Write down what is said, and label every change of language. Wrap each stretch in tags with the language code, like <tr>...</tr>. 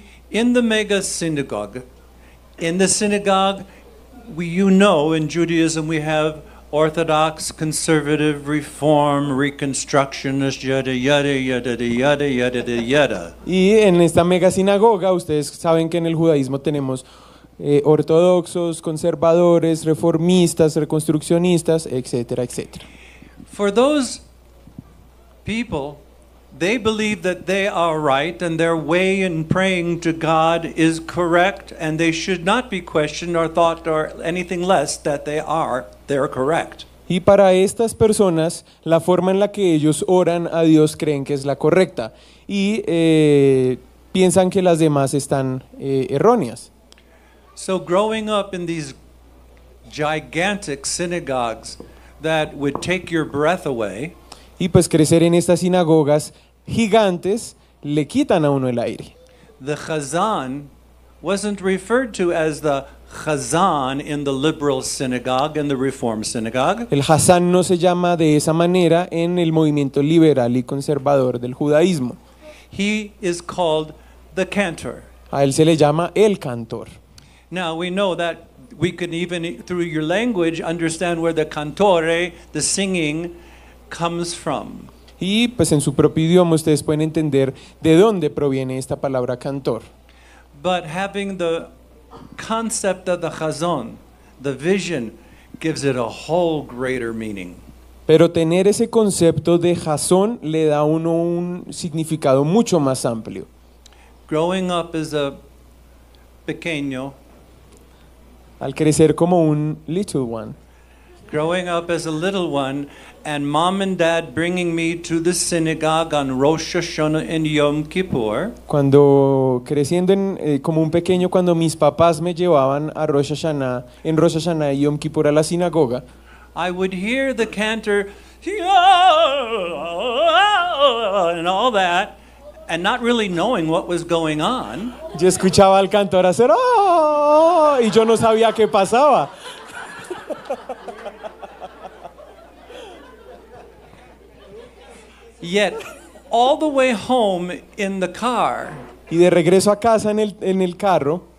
<en>In the mega synagogue, in the synagogue, you know, in Judaism we have Orthodox, Conservative, Reform, Reconstructionist, yada, yada, yada, yada, yada, yada, yada.</en> <es>Y en esta mega sinagoga, ustedes saben que en el judaísmo tenemos ortodoxos, conservadores, reformistas, reconstruccionistas, etcétera, etcétera.</es> <en>For those people, they believe that they are right and their way in praying to God is correct and they should not be questioned or thought or anything less that they are. They are correct.</en> <es>Y para estas personas, la forma en la que ellos oran a Dios creen que es la correcta y piensan que las demás están erróneas.</es> <en>So growing up in these gigantic synagogues that would take your breath away.</en> <es>Y pues crecer en estas sinagogas gigantes le quitan a uno el aire.</es> <en>The Hazan wasn't referred to as the Hazan in the liberal synagogue and the reform synagogue.</en> <es>El Hazan no se llama de esa manera en el movimiento liberal y conservador del judaísmo.</es> <en>He is called the cantor.</en> <es>A él se le llama el cantor.</es> <en>Now we know that we can even through your language understand where the cantore, the singing, comes from.</en> <es>Y pues en su propio idioma ustedes pueden entender de dónde proviene esta palabra cantor.</es> <en>But having the concept of the chazon, the vision, gives it a whole greater meaning.</en> <es>Pero tener ese concepto de chazon le da a uno un significado mucho más amplio.</es> <en>Growing up as a</en> <es>pequeño, al crecer como un</es> <en>little one. Growing up as a little one, and mom and dad bringing me to the synagogue on Rosh Hashanah and Yom Kippur.</en> <es>Cuando creciendo en, como un pequeño, cuando mis papás me llevaban a Rosh Hashanah, en Rosh Hashanah y Yom Kippur a la sinagoga.</es> <en>I would hear the cantor and all that, and not really knowing what was going on.</en> <es>Yo escuchaba al cantor hacer y yo no sabía qué pasaba.</es> <en>Yet, all the way home in the car.</en> <es>Y de regreso a casa en el carro.</es>